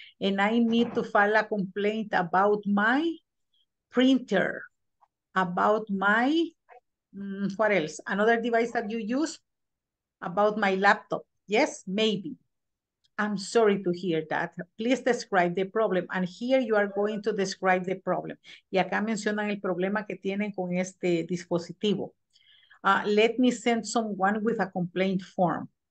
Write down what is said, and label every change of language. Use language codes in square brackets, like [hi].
[en] And I need to file a complaint about my printer, about my, what else? Another device that you use? About my laptop. Yes, maybe. I'm sorry to hear that. Please describe the problem. And here you are going to describe the problem. [es] Y acá mencionan el problema que tienen con este dispositivo. [en] Let me send someone with a complaint form.